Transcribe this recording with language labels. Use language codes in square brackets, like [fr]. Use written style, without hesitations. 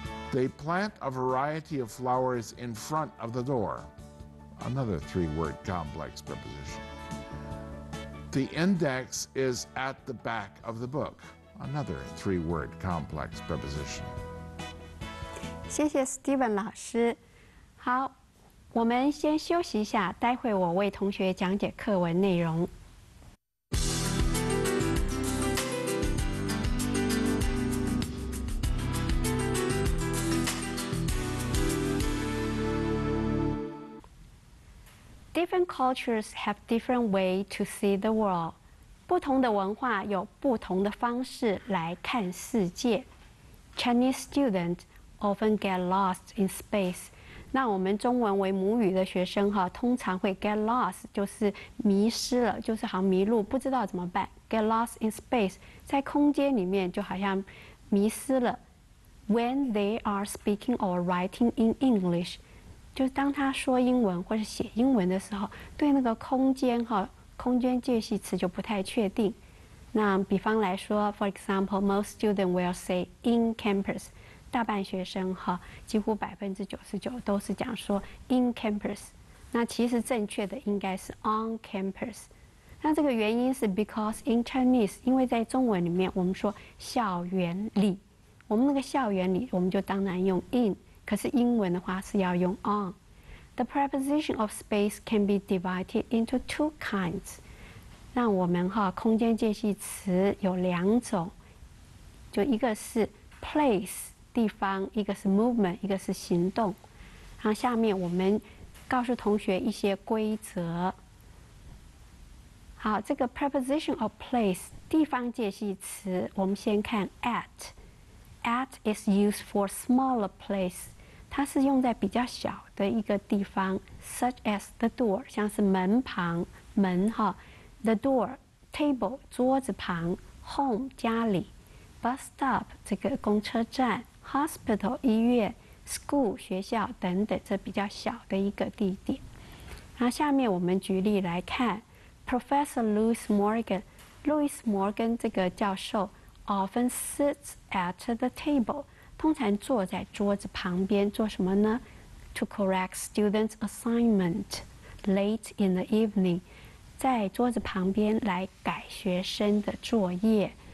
[en] They plant a variety of flowers in front of the door, another three-word complex preposition. The index is at the back of the book. Another three-word complex preposition. [zh] 谢谢 Steven 老师。好，我们先休息一下，待会我为同学讲解课文内容。 [en] Different cultures have different way to see the world. [zh] 不同的文化有不同的方式来看世界。 [en] Chinese students often get lost in space. [zh] 那我们中文为母语的学生哈，通常会 get lost， 就是迷失了，就是好像迷路，不知道怎么办。 [en] Get lost in space， [zh] 在空间里面就好像迷失了。 [en] When they are speaking or writing in English， [zh] 就是当他说英文或是写英文的时候，对那个空间哈，空间介系词就不太确定。那比方来说 [en] ，for example， most students will say in campus。 [zh] 大半学生哈，几乎99%都是讲说 in campus， 那其实正确的应该是 on campus。那这个原因是 [en] because in Chinese， [zh] 因为在中文里面我们说校园里，我们那个校园里我们就当然用 in， 可是英文的话是要用 on。 [en] The preposition of space can be divided into two kinds。 [zh] 那我们哈空间介系词有两种，就一个是 place。地方，一个是 movement， 一个是行动。然后下面我们告诉同学一些规则。好，这个 preposition of place 地方介系词，我们先看 at。 [en] at is used for smaller place， [zh] 它是用在比较小的一个地方 ， [en] such as the door， [zh] 像是门旁门哈 ， [en] the door table [zh] 桌子旁 ，home 家里 ，bus stop 这个公车站。 Hospital 医院 ，school 学校等等，这比较小的一个地点。那下面我们举例来看 ， [en] Professor Louis Morgan， 路易斯·摩根这个教授 often sits at the table， [zh] 通常坐在桌子旁边做什么呢 ？ [en] To correct students' assignment late in the evening， [zh] 在桌子旁边来改学生的作业。